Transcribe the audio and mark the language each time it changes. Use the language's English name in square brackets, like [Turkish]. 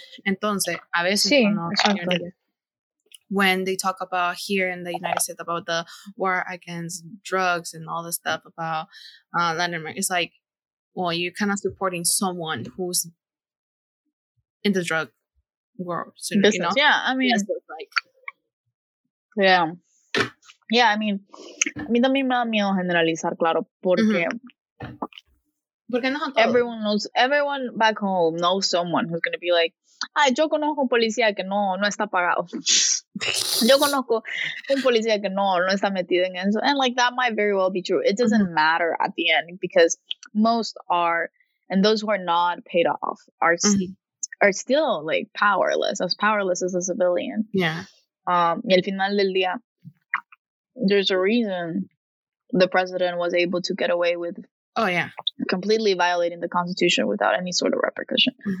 [Spanish] Entonces, [English] a veces when they talk about here in the United States about the war against drugs and all this stuff about Latin America, it's like, well, you're kind of supporting someone who's in the drug world. So, business, you know? [Spanish] A mí también me da miedo generalizar, claro, porque no todos. [English] Everyone back home knows someone who's going to be like, [Spanish] ay, yo conozco un policía que no está pagado. Yo conozco un policía que no está metido en eso. [English] And like, that might very well be true. It doesn't matter at the end, because most are, and those who are not paid off are still like powerless as a civilian. Yeah. [Spanish] Y al final del día, [English] there's a reason the president was able to get away with completely violating the constitution without any sort of repercussion.